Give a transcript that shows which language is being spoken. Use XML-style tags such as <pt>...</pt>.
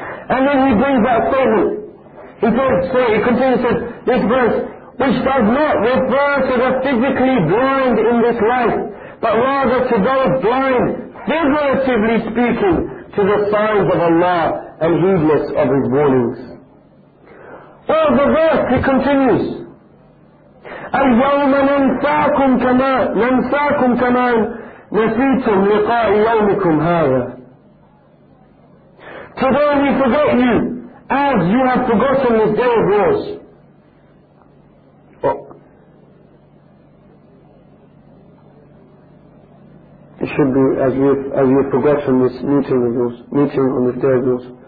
<en>And then he brings that statement. He continues, this verse, which does not refer to the physically blind in this life, but rather to those blind, figuratively speaking, to the signs of Allah and heedless of His warnings. Well, the verse, he continues,</en> <ar>الْيَوْمَ نَنْسَاكُمْ كَمَا نَنْسَاكُمْ كَمَا نَسِيتُمْ لِقَاءِ يَوْمِكُمْ هَذَا.</ar> <en>Today we forget you, as you have forgotten this day of yours. Oh. It should be as you have forgotten this meeting of yours, meeting on this day of yours.</en>